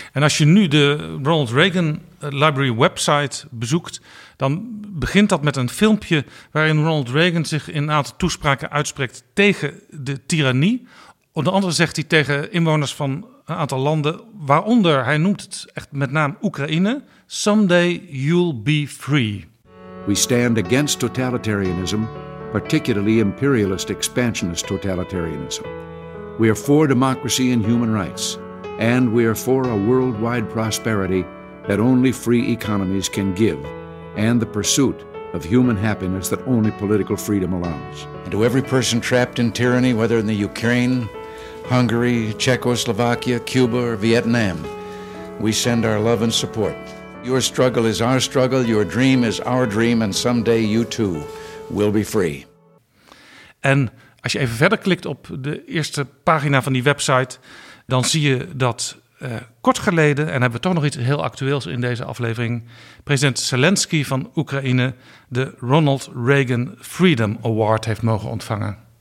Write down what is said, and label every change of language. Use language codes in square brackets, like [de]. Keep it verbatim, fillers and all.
[nl] En als je nu de Ronald Reagan Library website bezoekt, dan begint dat met een filmpje waarin Ronald Reagan zich in een aantal toespraken uitspreekt tegen de tirannie. Onder andere zegt hij tegen inwoners van een aantal landen, waaronder, hij noemt het echt met naam Oekraïne, [en] someday you'll be free. We stand against totalitarianism, particularly imperialist expansionist totalitarianism. We are for democracy and human rights, and we are for a worldwide prosperity that only free economies can give, and the pursuit of human happiness that only political freedom allows. And to every person trapped in tyranny, whether in the Ukraine, Hungary, Czechoslovakia, Cuba, or Vietnam, we send our love and support. Your struggle is our struggle, your dream is our dream, and someday you too will be free. [nl] En als je even verder klikt op de eerste pagina van die website, dan zie je dat uh, kort geleden, en hebben we toch nog iets heel actueels in deze aflevering, president Zelensky van Oekraïne de Ronald Reagan Freedom Award heeft mogen ontvangen.